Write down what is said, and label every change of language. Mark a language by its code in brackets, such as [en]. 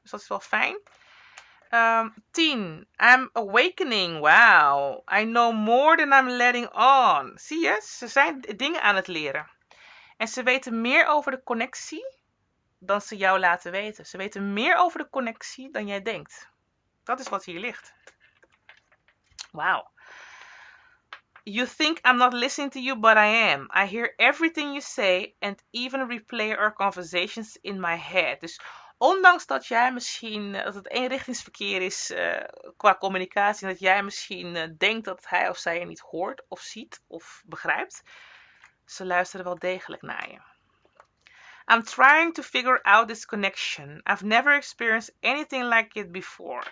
[nl] Dus dat is wel fijn. 10. [en] I'm awakening. Wow. I know more than I'm letting on. [nl] Zie je? Ze zijn dingen aan het leren. En ze weten meer over de connectie dan ze jou laten weten. Ze weten meer over de connectie dan jij denkt. Dat is wat hier ligt. Wauw. [en] You think I'm not listening to you, but I am. I hear everything you say and even replay our conversations in my head. [nl] Dus ondanks dat jij misschien, dat het eenrichtingsverkeer is qua communicatie, dat jij misschien denkt dat hij of zij je niet hoort of ziet of begrijpt, ze luisteren wel degelijk naar je. [en] I'm trying to figure out this connection. I've never experienced anything like it before.